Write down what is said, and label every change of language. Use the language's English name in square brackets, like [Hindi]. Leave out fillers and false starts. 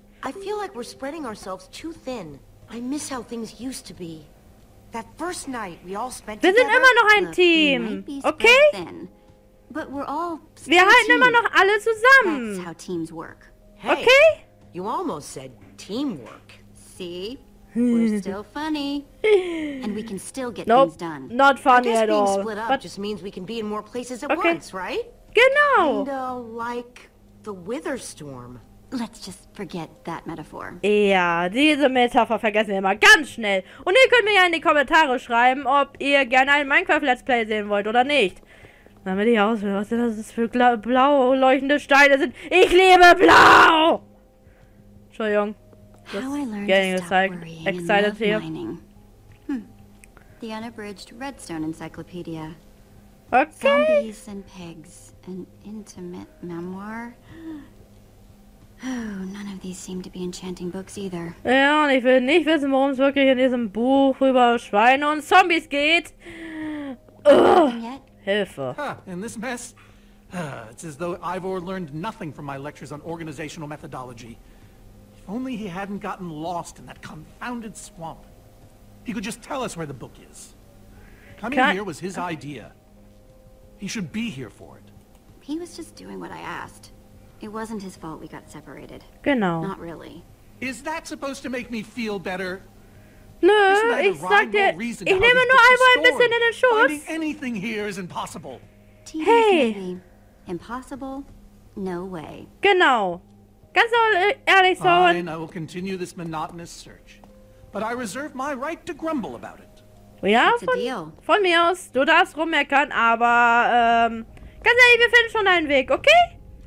[English] I feel like we're spreading ourselves too thin. I miss how things used to be. That first night we all spent together. [German] Wir sind immer noch ein Team. Okay? [English] But we're all [German] wir halten immer noch alle zusammen. [English] That's how teams work. Hey, okay? You almost said teamwork. See? We're still funny. And we can still get things done. Not funny at being all. Split up but just means we can be in more places at once, right? [German] Genau. [English] And, like the wither storm. Let's just forget that metaphor. [German] Ja, diese Metapher vergessen wir immer ganz schnell. Und ihr könnt mir ja in die Kommentare schreiben, ob ihr gerne ein Minecraft-Let's Play sehen wollt oder nicht. Damit ich auswähle, was das für blau leuchtende Steine sind. Ich liebe blau! Entschuldigung. [English] Getting excited here. The unabridged redstone encyclopedia. Okay. Zombies and pigs. An intimate memoir. Oh, none of these seem to be enchanting books either. [German] Ja, und ich will nicht wissen, worum es wirklich in diesem Buch über Schweine und Zombies geht. Hilfe. [English] In this mess, it's as though Ivor learned nothing from my lectures on organizational methodology. If only he hadn't gotten lost in that confounded swamp. He could just tell us where the book is. Coming here was his idea. He should be here for it. He was just doing what I asked. It wasn't his fault we got separated. [German] Genau. [English] Not really. Is that supposed to make me feel better? [German] Nö, ich sag dir, ich nehme nur Ivor ein bisschen in den Schuss. [English] Finding anything here is impossible. Hey. Impossible? No way. [German] Genau. Ganz ehrlich, so. [English] Fine, I will continue this monotonous search. But I reserve my right to grumble about it. [German] Ja, von mir aus. Du darfst rummeckern, aber ganz ehrlich, wir finden schon einen Weg, okay?